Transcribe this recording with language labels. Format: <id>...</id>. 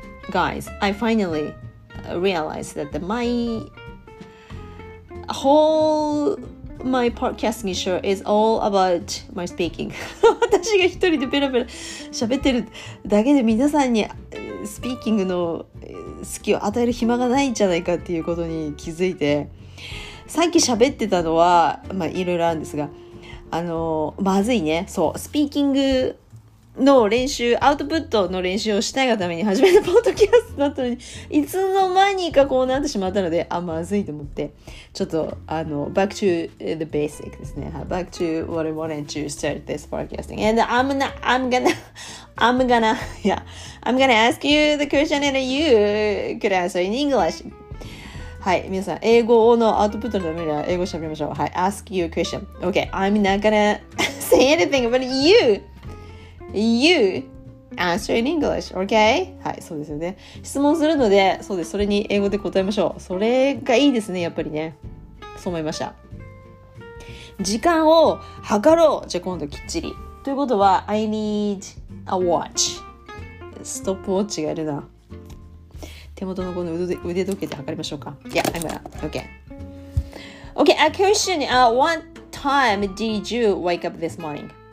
<en>Guys, I finally realized that my podcasting show is all about my speaking.</en> <ja>私が一人でペラペラ喋ってるだけで皆さんにスピーキングの好きを与える暇がないんじゃないかっていうことに気づいて、さっき喋ってたのは、まあ、いろいろあるんですが、まずいね。そう、スピーキングの練習、アウトプットの練習をしたいがために始めたポッドキャストだったのに、いつの間にかこうなってしまったので、あ、まずいと思って、ちょっと、</ja> <en>back to the basic</en> <ja>ですね。</ja> <en>back to what I wanted to start this podcasting. And I'm gonna ask you the question and you could answer in English.</en> <ja>はい、皆さん、英語のアウトプットのためには英語喋りましょう。はい、</ja> <en>ask you a question. Okay, I'm not gonna say anything about you. You answer in English, okay?</en> <ja>はい、そうですよね。質問するので、そうです。それに英語で答えましょう。それがいいですね、やっぱりね。そう思いました。時間を計ろう。じゃあ今度きっちり。ということは、</ja> <en>I need a watch.</en> <ja>ストップウォッチがいるな。手元のこの腕時計で測りましょうか。</ja> <en>Yeah, I'm gonna. Okay. Okay, a question. What time did you wake up this morning?</en>